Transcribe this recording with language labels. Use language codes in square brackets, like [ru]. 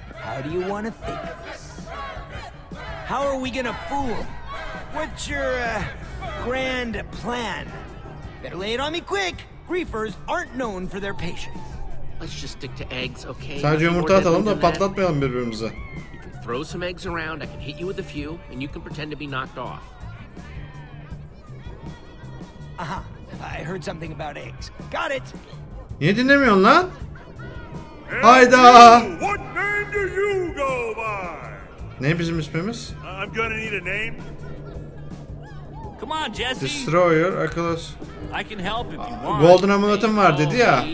[en] How do you want to think of this? How are we gonna fool? What's your grand plan? Better lay it on me quick. Griefers aren't known for their patience. Let's just stick to eggs, okay? [tr] Sadece yumurta atalım da patlatmayalım birbirimizi. [en] You can throw some eggs around. I can hit you with a few, and you can pretend to be knocked off. Aha, I heard something about eggs. Got it. [tr] Niye dinlemiyorsun lan? [en] Hayda. What name do you go by? [tr] Ne bizim ismimiz? [en] I'm gonna need a name. Come on, Jesse. Destroyer, Akalos. I can help if you want. [tr] Golden amuletim var dedi ya.